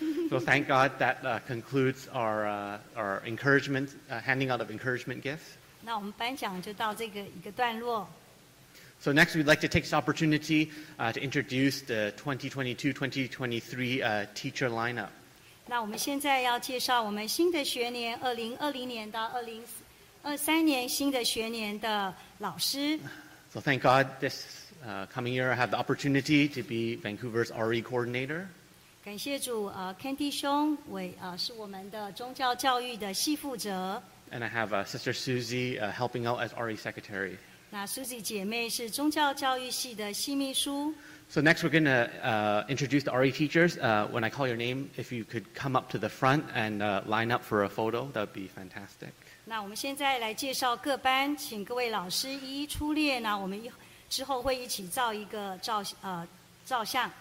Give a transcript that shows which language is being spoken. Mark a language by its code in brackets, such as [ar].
[en] So thank God that concludes our encouragement, handing out of encouragement gifts. [zh] 那我们颁奖就到这个一个段落. [en] So next we'd like to take this opportunity to introduce the 2022-2023 teacher lineup. [zh] 那我们现在要介绍我们新的学年 2020年到 20, 三年新的学年的老师。 [en] So thank God this coming year I have the opportunity to be Vancouver's RE coordinator. [zh] 感谢主, Candy兄为, 是我们的宗教教育的系负责。 [en] And I have Sister Susie helping out as RE secretary. [zh] 那Susie姐妹是宗教教育系的系秘书。 [en] So next we're going to introduce the RE teachers. When I call your name, if you could come up to the front and line up for a photo, that would be fantastic. [zh] 那我们现在来介绍各班，请各位老师一一出列。那我们之后会一起照一个照相。